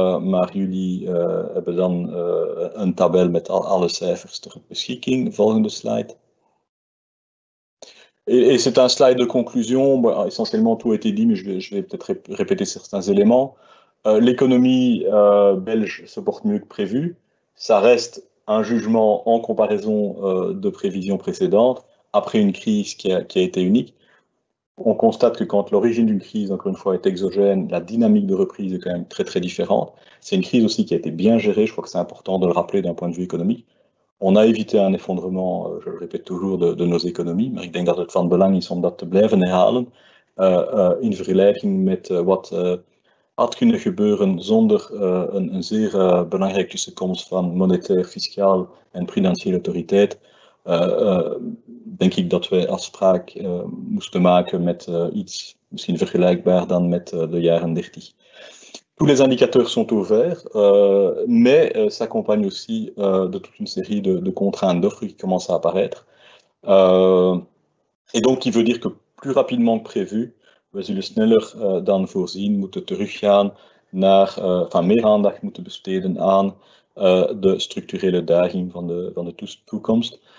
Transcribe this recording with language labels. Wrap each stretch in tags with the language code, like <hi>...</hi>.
<nl>Maar jullie hebben dan een tabel met alle cijfers ter beschikking. Volgende slide.</nl> <fr>Et c'est un slide de conclusion. Bon, essentiellement, tout a été dit, mais je vais peut-être répéter certains éléments. L'économie belge se porte mieux que prévu. Ça reste un jugement en comparaison de prévisions précédentes, après une crise qui a été unique. On constate que quand l'origine d'une crise, encore une fois, est exogène, la dynamique de reprise est quand même très, très différente. C'est une crise aussi qui a été bien gérée. Je crois que c'est important de le rappeler d'un point de vue économique. On a évité un effondrement, je le répète toujours, de nos économies.</fr> <nl>Maar ik denk dat het van belang is om dat te blijven herhalen. In vergelijking met wat had kunnen gebeuren zonder een zeer belangrijke tussenkomst van monetair, fiscaal en prudentiële autoriteit. Denk ik dat wij afspraak moesten maken met iets misschien vergelijkbaar dan met de jaren 30.</nl> <fr>Tous les indicateurs sont au vert, mais s'accompagne aussi de toute une série de contraintes d'offres qui commencent à apparaître. Et donc, il veut dire que plus rapidement que prévu,</fr> <nl>we zullen sneller dan voorzien moeten teruggaan naar, enfin, meer aandacht moeten besteden aan de structurele uitdaging van de toekomst.</nl>